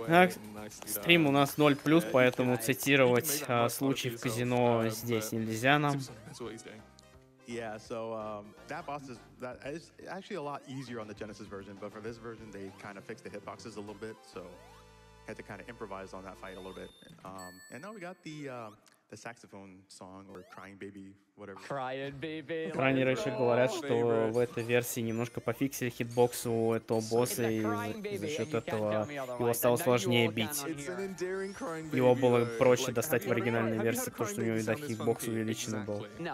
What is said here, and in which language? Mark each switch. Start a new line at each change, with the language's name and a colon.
Russian: Так, стрим у нас 0+, поэтому цитировать случай в казино здесь нельзя нам.
English: Yeah, so that boss is that is actually a lot easier on the Genesis version, but for this version they kind of fixed the hitboxes a little bit, so had to kind of improvise on that fight a little bit. And now we got the saxophone song or crying baby, whatever. Crying baby.
Russian: Крайнеры еще говорят, что в этой версии немножко пофиксили хитбокс у этого босса, и за счет этого его стало сложнее бить. Его было проще достать в оригинальной версии, потому что у него и до хитбокс увеличен был.